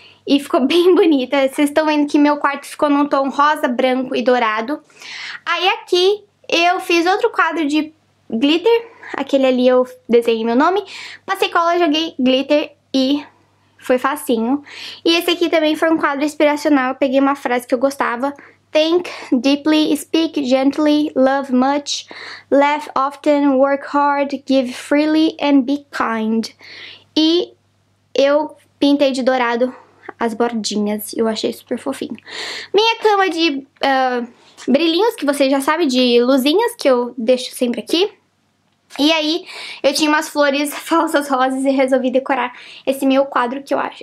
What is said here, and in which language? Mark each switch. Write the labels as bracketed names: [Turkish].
[Portuguese] E ficou bem bonita. Vocês estão vendo que meu quarto ficou num tom rosa, branco e dourado. Aí aqui... Eu fiz outro quadro de glitter, aquele ali eu desenhei meu nome, passei cola, joguei glitter e foi facinho. E esse aqui também foi um quadro inspiracional, eu peguei uma frase que eu gostava. [English] Think deeply, speak gently, love much, laugh often, work hard, give freely and be kind. [Portuguese] E eu pintei de dourado as bordinhas, eu achei super fofinho. Minha cama de... brilhinhos, que vocês já sabem, de luzinhas, que eu deixo sempre aqui. E aí, eu tinha umas flores falsas rosas e resolvi decorar esse meu quadro que eu acho...